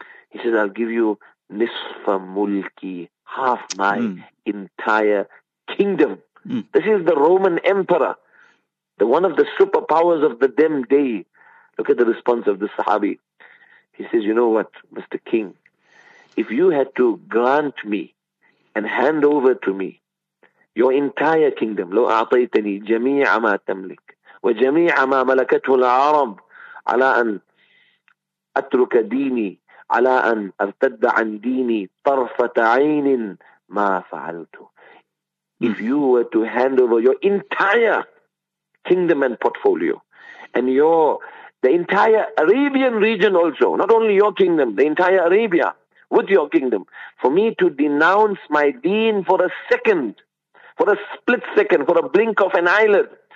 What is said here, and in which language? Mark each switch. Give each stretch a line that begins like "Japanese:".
English: He says, I'll give you
Arabic: nisfa mulki,
English: half my entire kingdom. This is the Roman emperor, the one of the superpowers of the dem day. Look at the response of the Sahabi. He says, you know what, Mr. King? If you had to grant me and hand over to me your entire kingdom,
Arabic: لو أعطيتني جميع ما تملك وجميع ما ملكته العرب على أن أترك ديني على أن أرتد عن ديني طرفة عين ما فعلته.
English: If you were to hand over your entire kingdom and portfolio and your... the entire Arabian region also, not only your kingdom, the entire Arabia with your kingdom, for me to denounce my deen for a second, for a split second, for a blink of an eyelid.